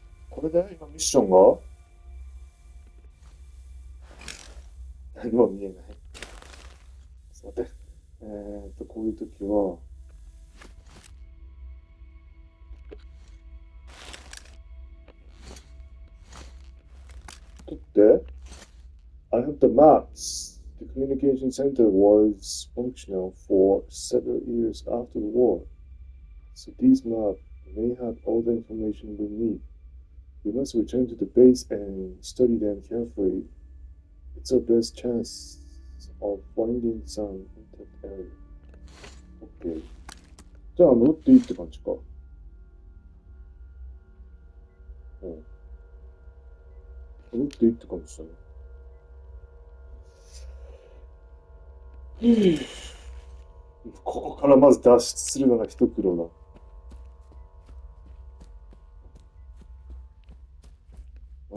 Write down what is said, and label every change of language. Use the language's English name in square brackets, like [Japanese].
[Japanese] これで今ミッションが何も見えない。さて、こういう時は、 [English] I have the maps. The communication center was functional for several years after the war. So these maps may have all the information we need. We must return to the base and study them carefully. It's our best chance of finding some intact area. OK。 [Japanese] じゃあ、戻っていいって感じか。戻っていいって感じだね。ここからまず脱出するのが一苦労だ。